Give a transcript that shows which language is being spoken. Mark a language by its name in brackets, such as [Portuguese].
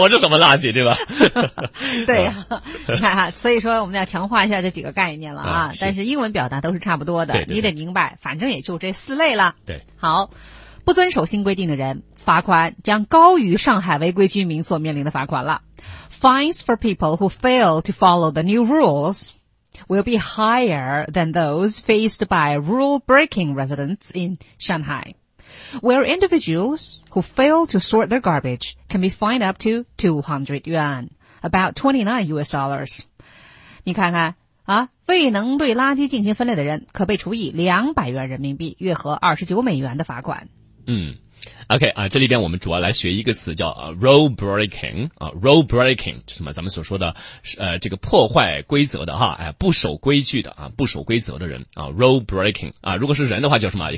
[Chinese] 我是什么垃圾，对吧？对呀、你看哈，所以说我们要强化一下这几个概念了是，但是英文表达都是差不多的，对对对，你得明白，反正也就这四类了。对，好。不遵守新规定的人，罚款将高于上海违规居民所面临的罚款了。 [English] Fines for people who fail to follow the new rules will be higher than those faced by rule-breaking residents in Shanghai, where individuals who fail to sort their garbage can be fined up to 200 yuan, about $29. [Chinese] 你看看啊，未能对垃圾进行分类的人可被处以200元人民币，约合29美元的罚款。嗯 ，OK 啊，这里边我们主要来学一个词叫rule breaking 啊 ，rule breaking 就是什么？咱们所说的这个破坏规则的哈，哎，不守规矩的啊，不守规则的人啊 ，rule breaking 啊，如果是人的话叫什么？